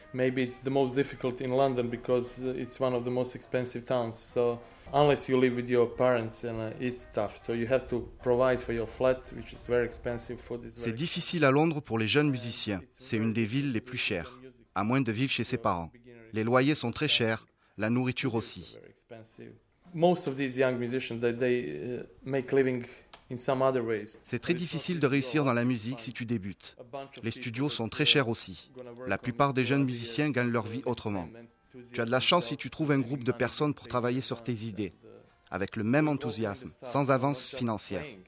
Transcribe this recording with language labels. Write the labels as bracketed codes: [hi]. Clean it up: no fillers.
[en] Maybe it's the most difficult in London because it's one of the most expensive towns. So unless you live with your parents, you know, it's tough. So you have to provide for your flat, which is very expensive for this. [fr] C'est difficile à Londres pour les jeunes musiciens. C'est une des villes les plus chères, à moins de vivre chez ses parents. Les loyers sont très chers, la nourriture aussi. [en] Most of these young musicians, they make living. [fr] C'est très difficile de réussir dans la musique si tu débutes. Les studios sont très chers aussi. La plupart des jeunes musiciens gagnent leur vie autrement. Tu as de la chance si tu trouves un groupe de personnes pour travailler sur tes idées, avec le même enthousiasme, sans avance financière.